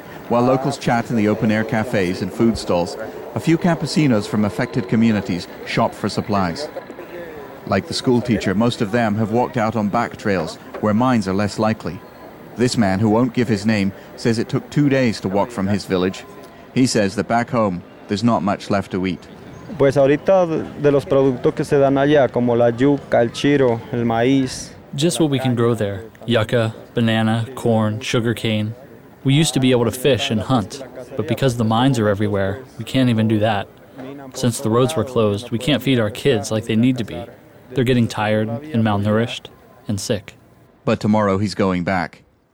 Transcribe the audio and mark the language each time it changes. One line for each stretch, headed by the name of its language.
English: While locals chat in the open-air cafes and food stalls, a few campesinos from affected communities shop for supplies. Like the schoolteacher, most of them have walked out on back trails, where mines are less likely. This man, who won't give his name, says it took 2 days to walk from his village. He says that back home, there's not much left to eat.
Spanish: Pues ahorita de los productos que se dan allá, como la yuca, el chiro, el maíz.
English: Just what we can grow there. Yucca, banana, corn, sugarcane. We used to be able to fish and hunt, but because the mines are everywhere, we can't even do that. Since the roads were closed, we can't feed our kids like they need to be. They're getting tired and malnourished and sick. But tomorrow he's going back.